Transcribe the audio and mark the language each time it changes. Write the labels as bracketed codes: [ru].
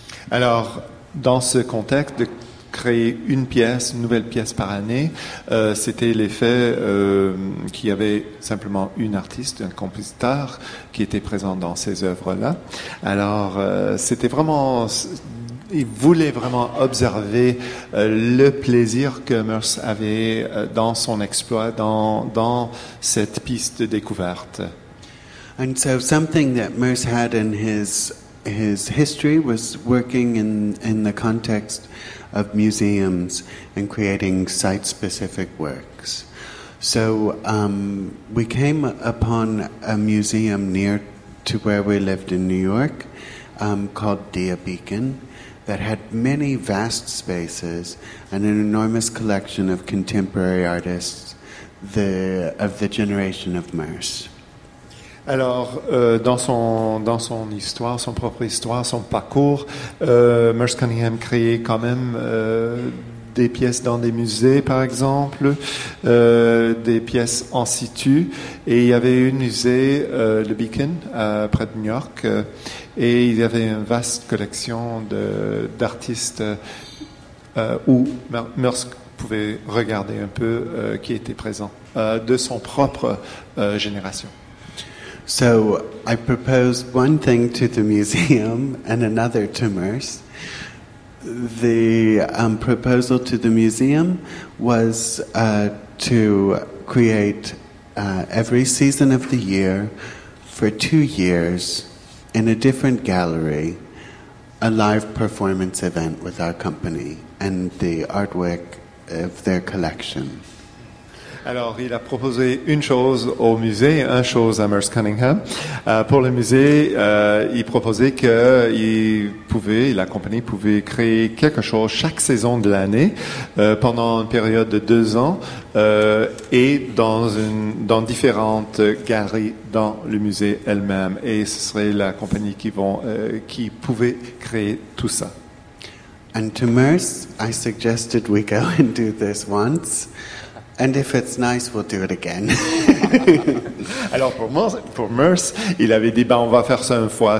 [fr] Alors, dans ce contexte, créer une pièce, une nouvelle pièce par année, c'était l'effet qu'il y avait simplement une artiste, un compositeur qui était présent dans ces œuvres-là. Alors, c'était vraiment, il voulait vraiment observer le plaisir que MERS avait dans son exploit, dans cette piste de découverte. [en] And so something that MERS had in his history was working in the context of museums and creating site-specific works. So we came upon a museum near to where we lived in New York called Dia Beacon that had many vast spaces and an enormous collection of contemporary artists of the generation of MERS. [fr] Alors, dans son histoire, son propre histoire, son parcours, MERS Cunningham créait quand même des pièces dans des musées, par exemple, des pièces en situ. Et il y avait un musée, le Beacon, près de New York, et il y avait une vaste collection de, d'artistes où Meurs pouvait regarder un peu qui était présent, de son propre génération. [en] So I proposed one thing to the museum and another to Meurs. The proposal to the museum was to create every season of the year for 2 years in a different gallery a live performance event with our company and the artwork of their collection. [fr] Alors, il a proposé une chose au musée, une chose à Meurs Cunningham. Pour le musée, il proposait que la compagnie pouvait créer quelque chose chaque saison de l'année pendant une période de 2 ans et dans différentes galeries dans le musée elle-même. Et ce serait la compagnie qui pouvait créer tout ça. [en] And to Meurs, I suggested we go and do this once. And if it's nice, we'll do it again. [fr] Alors pour Meurs, il avait dit, on va faire ça une fois.